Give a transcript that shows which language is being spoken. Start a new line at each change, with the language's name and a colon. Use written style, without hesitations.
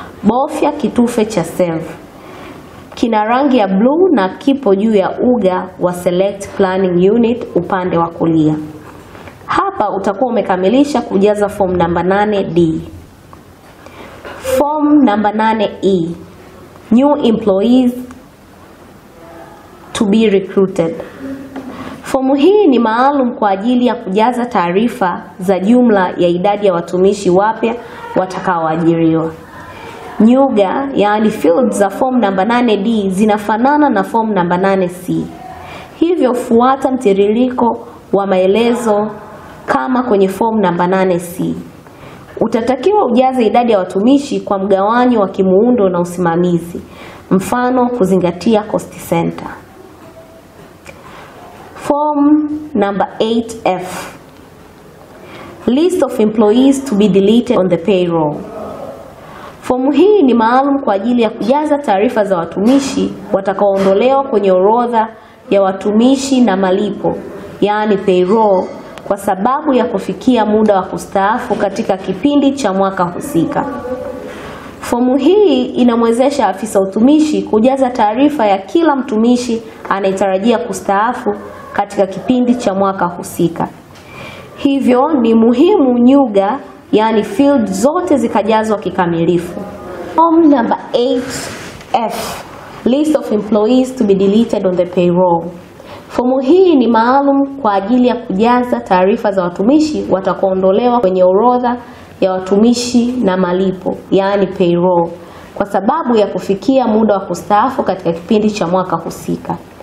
Swahili: Bofya kitufe cha save. Kina rangi ya blue na kipo juu ya uga wa
English: select planning unit
Swahili: upande wa kulia. Hapa utakuwa umekamilisha kujaza form namba 8D.
English: Form namba 8E, new employees to be recruited.
Swahili: Fomu hii ni maalum kwa ajili ya kujaza taarifa za jumla ya idadi ya watumishi wapya watakaoajiriwa. Nyuga, yani fields za form namba 8D zinafanana na form namba 8C. Hivyo fuata mtiririko wa maelezo kama kwenye form namba 8C. Utatakiwa ujaze idadi ya watumishi kwa mgawanyo wa kimuundo na usimamizi. Mfano, kuzingatia cost center.
English: Form number 8F, list of employees to be deleted on the payroll.
Swahili: Fomu hii ni maalum kwa ajili ya kujaza taarifa za watumishi watakaoondolewa kwenye orodha ya watumishi na malipo, yani payroll, kwa sababu ya kufikia muda wa kustaafu katika kipindi cha mwaka husika. Fomu hii inamwezesha afisa utumishi kujaza taarifa ya kila mtumishi anayetarajia kustaafu katika kipindi cha mwaka husika. Hivyo ni muhimu nyuga yani field zote zikajazwa kikamilifu.
English: Form number 8F, list of employees to be deleted on the payroll.
Swahili: Fomu hii ni maalum kwa ajili ya kujaza taarifa za watumishi watakaoondolewa kwenye orodha ya watumishi na malipo, yani payroll, kwa sababu ya kufikia muda wa kustaafu katika kipindi cha mwaka husika.